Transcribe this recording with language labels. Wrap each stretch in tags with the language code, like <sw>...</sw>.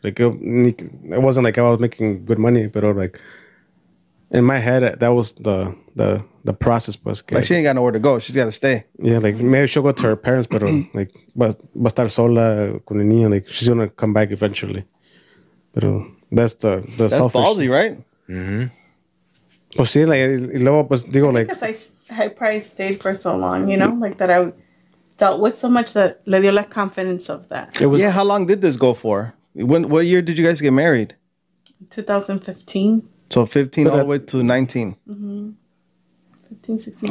<en>Like, it wasn't like I was making good money, but, like, in my head, that was the process. Was like, she ain't got nowhere to go. She's got to stay. Yeah, like, maybe she'll go to her parents, but, like,</en> <es>va a estar sola con el niño.</es> <en>Like, she's going to come back eventually. But that's the selfish. That's ballsy, right? Mm-hmm.</en> <es>Pues sí, like, y luego, pues, digo, like,</es> <en>because I probably stayed for so long, you know, like that I dealt with so much that</en> <es>le dio la</es> <en>confidence of that. It was, yeah, how long did this go for? When, what year did you guys get married? 2015. So 15 all the way to 19. Mm-hmm. 15, 16.</en>